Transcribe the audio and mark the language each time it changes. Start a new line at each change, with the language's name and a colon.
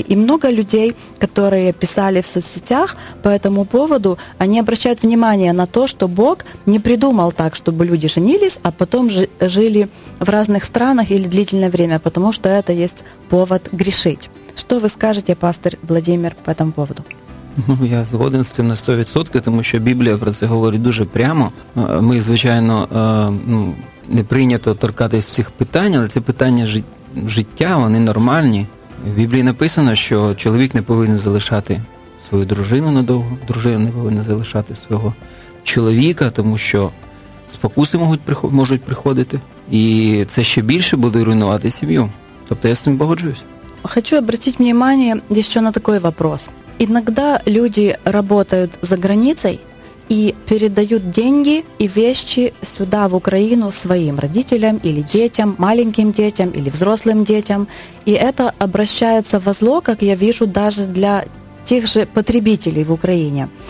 Russian: И много людей, которые писали в соцсетях по этому поводу, они обращают внимание на то, что Бог не придумал так, чтобы люди женились, а потом жили в разных странах или длительное время, потому что это есть повод грешить. Что вы скажете, пастор Владимир, по этому поводу?
Ukrainian: Ну, я згоден з цим на 100%, тому що Біблія про це говорить дуже прямо. Ми, звичайно, не прийнято торкатись цих питань, але це питання життя, вони нормальні. В Біблії написано, що чоловік не повинен залишати свою дружину надовго, дружина не повинна залишати свого чоловіка, тому що спокуси можуть приходити, і це ще більше буде руйнувати сім'ю. Тобто я з цим погоджуюсь. Хочу обратити внимание ще на такий вопрос.
Russian: Иногда люди работают за границей и передают деньги и вещи сюда, в Украину, своим родителям или детям, маленьким детям или взрослым детям. И это обращается во зло, как я вижу, даже для тех же потребителей в Украине.